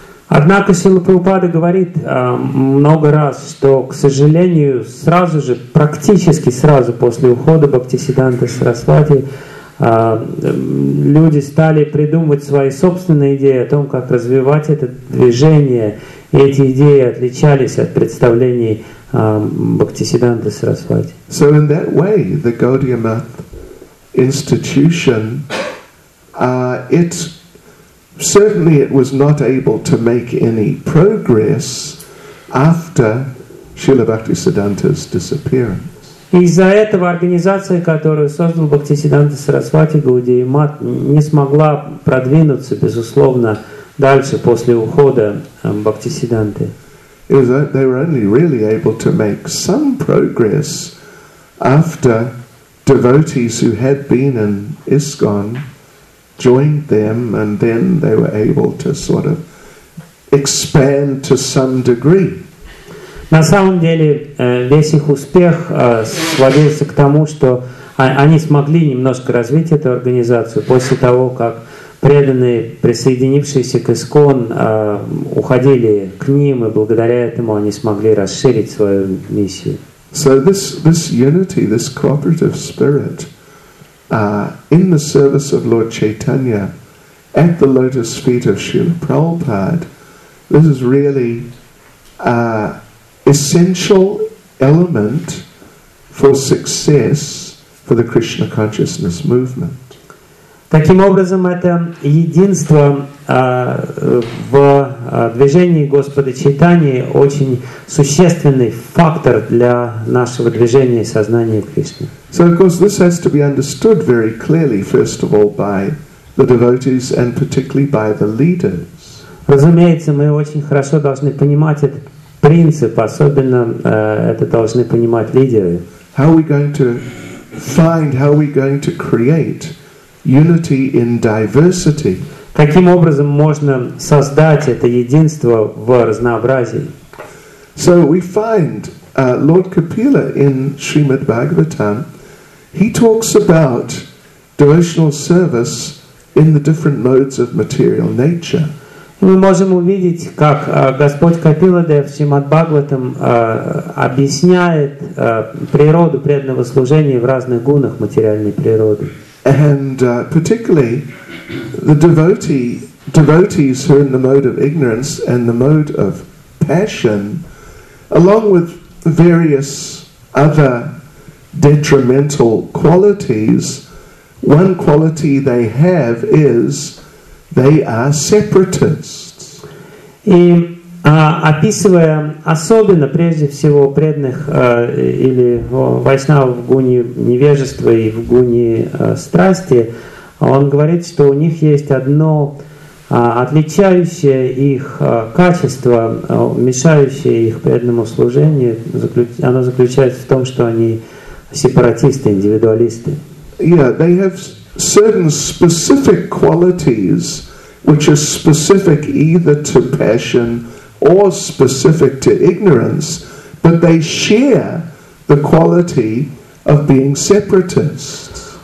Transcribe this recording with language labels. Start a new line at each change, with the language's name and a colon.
Russian: Однако Шрила Прабхупада говорит много раз, что, к сожалению, сразу же, практически сразу после ухода Бхактисиддханты Сарасвати, люди стали придумывать свои собственные идеи о том, как развивать это движение. И эти идеи отличались от представлений Бхактисиддханты Сарасвати.
English: So in that way, the Gaudiya Math institution, it certainly it was not able to make any progress after Srila Bhaktisiddhanta's disappearance.
Russian: Из-за этого организация, которую создал Бхактисиддханта Сарасвати Гаудия Мат, не смогла продвинуться, безусловно, дальше после ухода Бхактисиддханты.
English: They were only really able to make some progress after devotees who had been in ISKCON joined them, and then they were able to sort of expand to some degree.
Russian: На самом деле, весь их успех сводился к тому, что они смогли немножко развить эту организацию после того, как преданные, присоединившиеся к ИСКОН, уходили к ним, и благодаря этому они смогли расширить свою миссию.
English: So this unity, this cooperative spirit in the service of Lord Chaitanya at the lotus feet of Srila Prabhupada, this is really essential element for success for the Krishna consciousness movement.
Russian: Таким образом, это единство в движении Господа Чайтаньи очень существенный фактор для нашего движения сознания Кришны.
English: So, of course, this has to be understood very clearly, first of all, by the devotees and particularly by the leaders.
Russian: Разумеется, мы очень хорошо должны понимать это. Принцип, особенно это должны понимать лидеры.
English: How are we going to find, how are we going to create unity in diversity?
Russian: Каким образом можно создать это единство в разнообразии?
English: So we find Lord Kapila in Srimad Bhagavatam, he talks about devotional service in the different modes of material nature.
Russian: Мы можем увидеть, как Господь Капиладев Шримад Бхагаватам объясняет природу преданного служения в разных гунах материальной природы.
English: And particularly the devotees who are in the mode of ignorance and the mode of passion, along with various other detrimental qualities, one quality they have is they are separatists.
Russian: И описывая особенно прежде всего преданных или вайшнавов в гуне невежества и в гуне страсти, он говорит, что у них есть одно отличающее их качество, мешающее их преданному служению, оно заключается в том, что они сепаратисты, индивидуалисты.
English: Yeah, they have certain specific qualities which is specific either to passion or specific to ignorance, but they share the quality of being separatists.